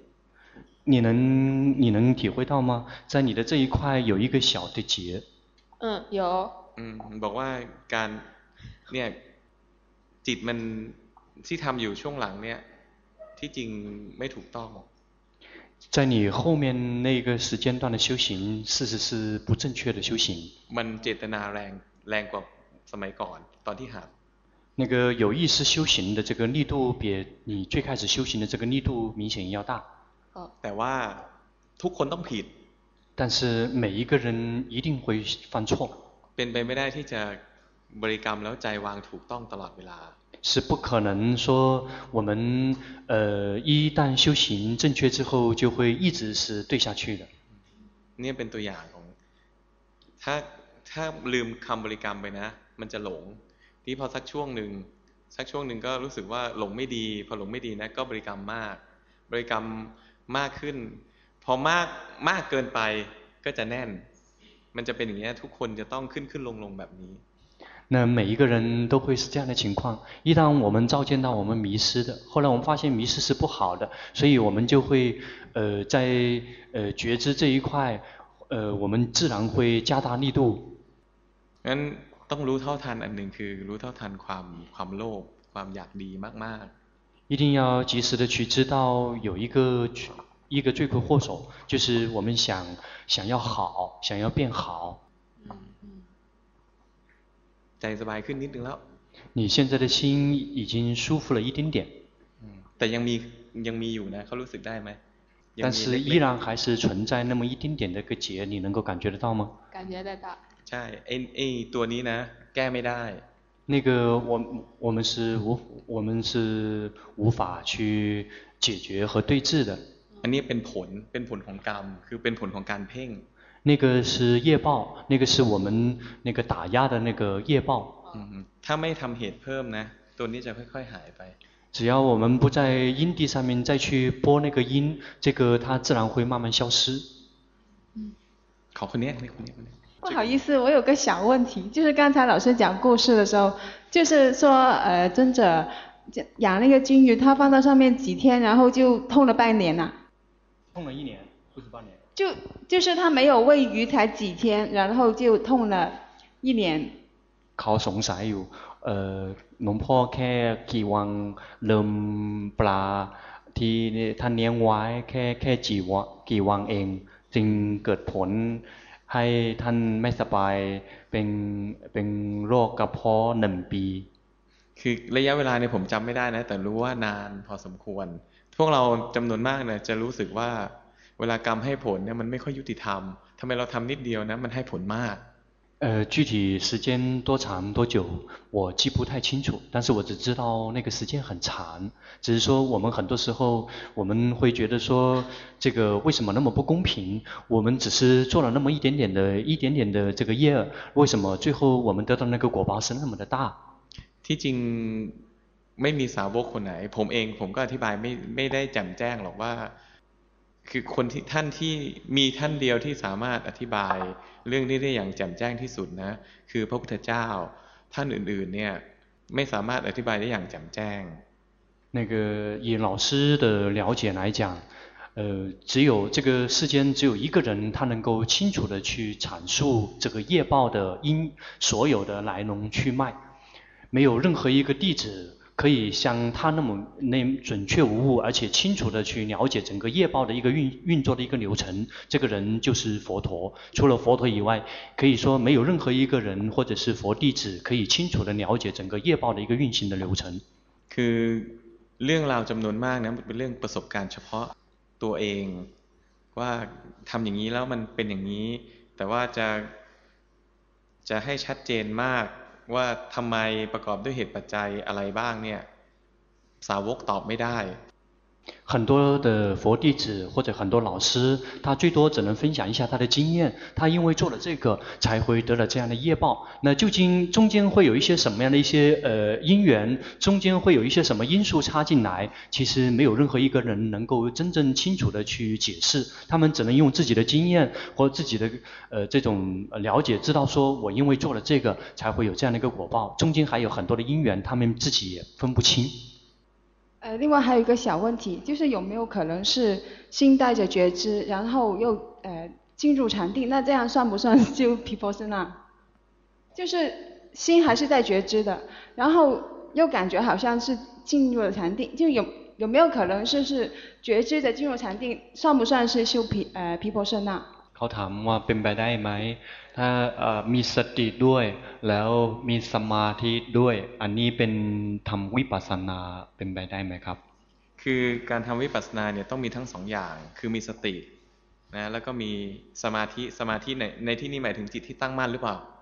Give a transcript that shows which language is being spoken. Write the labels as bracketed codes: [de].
[zh] ๆ你能体会到吗在你的这一块有一个小的结嗯有 [th] 嗯บอกว่าการเนี่ยจิตมันที่ทำอยู่ช่วงหลังเนี่ยที่จริงไม่ถูกต้อง [zh] 在你后面那个时间段的修行事实是不正确的修行 [th] มันเจตนาแรงกว่าสมัยก่อนตอนที่หัด นั่นก็ [zh] 有意识修行的这个力度比你最开始修行的这个力度明显要大 [th] แต่ว่าทุกคนต้องผิด [zh] 但是每一个人一定会犯错 [th] เป็นไปไม่ได้ที่จะบริกรรมแล้วใจวางถูกต้องตลอดเวลา [zh] 是不可能说我们一旦修行正确之后就会一直是对下去的 [th] นี่เป็นตัวอย่างของถ้าลืมคำบริกรรมไปนะมันจะหลงที่พอสักช่วงหนึ่งก็รู้สึกว่าหลงไม่ดีพอหลงไม่ดีนะก็บริกรรมมากบริกรรมมากขึ้นพอมากเกินไปก็จะแน่นมันจะเป็นอย่างนี้ทุกคนจะต้องขึ้นลงแบบนี้ [zh] 那每一个人都会是这样的情况一旦我们照见到我们迷失的后来我们发现迷失是不好的所以我们就会在觉知这一块我们自然会加大力度 [th] งั้นต้องรู้เท่าทันอันหนึ่งคือรู้เท่าทันความโลภความอยากดีมาก [zh] ๆ一定要及时的去知道有一个罪魁祸首就是我们想要好想要变好 [th] ใจสบายขึ้นนิดนึงแล้ว [zh] 你现在的心已经舒服了一点点 [th] แต่ยังมีอยู่นะเขารู้สึกได้ไหม [zh] 但是依然还是存在那么一丁点的个结你能够感觉得到吗感觉得到 [th] ใช่ตัวนี้นะแก้ไม่ได้ [zh] 那个我们是无法去解决和对治的 [th] อันนี้เป็นผลของกรรมคือเป็นผลของการเพ่ง [zh] 那个是业报那个是我们那个打压的那个业报 [th] ถ้าไม่ทำเหตุเพิ่มนะตัวนี้จะค่อยๆหายไป [zh] 只要我们不在因地上面再去播那个因这个它自然会慢慢消失 [th] 考คนนี้คนนี้ [zh] 不好意思我有个小问题就是刚才老师讲故事的时候就是说尊者养那个金鱼他放到上面几天然后就痛了半年了痛了一年不止半年就是他没有喂鱼才几天然后就痛了一年 [th] 考松散有หลวงพ่อแค่กี่วันเริ่มปลาที่ท่านเลี้ยงไว้แค่กี่วันเองจึงเกิดผลให้ท่านไม่สบายเป็นโรคกระเพาะ1 ปี คือระยะเวลาเนี่ยผมจำไม่ได้นะแต่รู้ว่านานพอสมควรพวกเราจำนวนมากนะจะรู้สึกว่าเวลากรรมให้ผลเนี่ยมันไม่ค่อยยุติธรรมทำไมเราทำนิดเดียวนะมันให้ผลมาก [zh] 具体时间多长多久我记不太清楚但是我只知道那个时间很长只是说我们很多时候我们会觉得说这个为什么那么不公平我们只是做了那么一点点的这个业为什么最后我们得到那个果报是那么的大 [th] ที่จริงไม่มีสาวกคนไหนผมก็อธิบายไม่ได้จำแจ้งหรอกว่าคือคนที่ท่านที่มีท่านเดียวที่สามารถอธิบายเรื่องนี้ได้อย่างแจ่มแจ้งที่สุดนะคือพระพุทธเจ้าท่านอื่นๆเนี่ยไม่สามารถอธิบายได้อย่างแจ่มแจ้ง [zh] 那个以老师的了解来讲只有这个世间只有一个人他能够清楚的去阐述这个业报的因所有的来龙去脉没有任何一个弟子可以像他那么准确无误而且清楚的去了解整个业报的一个运作的一个流程这个人就是佛陀除了佛陀以外可以说没有任何一个人或者是佛弟子可以清楚的了解整个业报的一个运行的流程 [th] คือเรื่องราวจำนวนมากนะเป็นเรื่องประสบการณ์เฉพาะตัวเองว่าทำอย่างนี้แล้วมันเป็นอย่างนี้แต่ว่าจะให้ชัดเจนมากว่าทำไมประกอบด้วยเหตุปัจจัยอะไรบ้างเนี่ยสาวกตอบไม่ได้ [zh] 很多的佛弟子或者很多老师他最多只能分享一下他的经验他因为做了这个才会得了这样的业报那究竟中间会有一些什么样的一些因缘中间会有一些什么因素插进来其实没有任何一个人能够真正清楚的去解释他们只能用自己的经验或自己的这种了解知道说我因为做了这个才会有这样的一个果报中间还有很多的因缘他们自己也分不清另外还有一个小问题，就是有没有可能是心带着觉知，然后又进入禅定，那这样算不算修毗婆舍那？就是心还是在觉知的，然后又感觉好像是进入了禅定，就有没有可能是觉知的进入禅定，算不算是修毗婆舍那？ [th] เขาถามว่าเป็นไปได้ไหมถ้ามีสติด้วยแล้วมีสมาธิด้วยอันนี้เป็นทำวิปัสสนาเป็นไปได้ไหมครับ คือการทำวิปัสสนาเนี่ยต้องมีทั้งสองอย่างคือมีสตินะแล้วก็มีสมาธิสมาธิในที่นี้หมายถึงจิตที่ตั้งมั่นหรือเปล่า